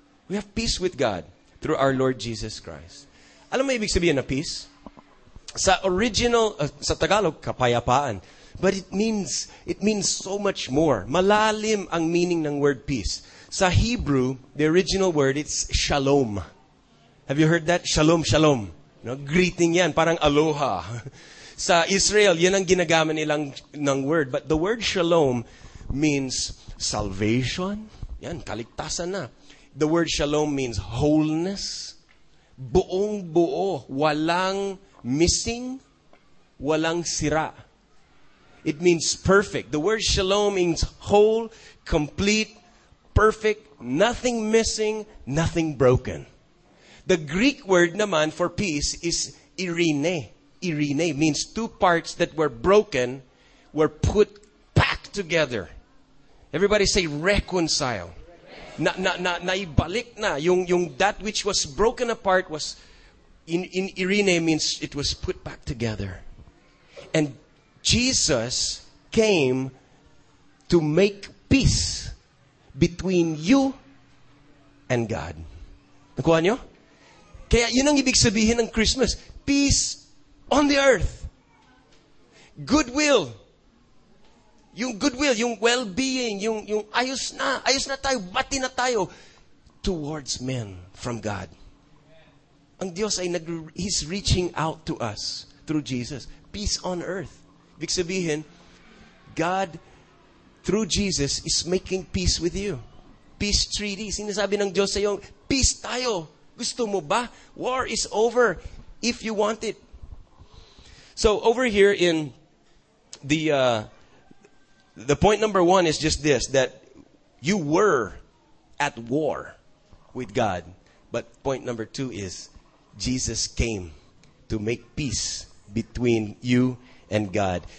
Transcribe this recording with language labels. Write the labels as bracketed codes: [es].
[en] We have peace with God through our Lord Jesus Christ. [tl] Alam mo ibig sabihin na peace? Sa original, sa Tagalog, kapayapaan. [en] But it means so much more. [tl] Malalim ang [en] meaning ng word peace. Sa Hebrew, the original word, it's shalom. Have you heard that? Shalom, shalom. No? [tl] Greeting yan, parang aloha. Sa Israel, yan ang ginagamit nilang ng word. [en] But the word shalom means salvation. [tl] Yan, kaligtasan na. [en] The word shalom means wholeness. [tl] Buong-buo, walang missing, walang sira. [en] It means perfect. The word shalom means whole, complete, perfect, nothing missing, nothing broken. The Greek word naman for peace is irene. Irene means two parts that were broken were put back together. Everybody say reconcile. [tl] Naibalik na. [en] Yung that which was broken apart was in irene means it was put back together. And Jesus came to make peace between you and God. [tl] Nakuha nyo? Kaya yun ang ibig sabihin ng Christmas. [en] Peace on the earth. Goodwill. [tl] Yung goodwill, yung well-being, yung ayos na tayo, bati na tayo [en] towards men from God. [tl] Ang Diyos ay [en] He's reaching out to us through Jesus. Peace on earth. [tl] Ibig sabihin, [en] God through Jesus is making peace with you. Peace treaty. [tl] Sinasabi ng Diyos sa iyo, peace tayo. Gusto mo ba? [en] War is over if you want it. So over here in the point number one is just this, that you were at war with God. But point number two is Jesus came to make peace between you and God.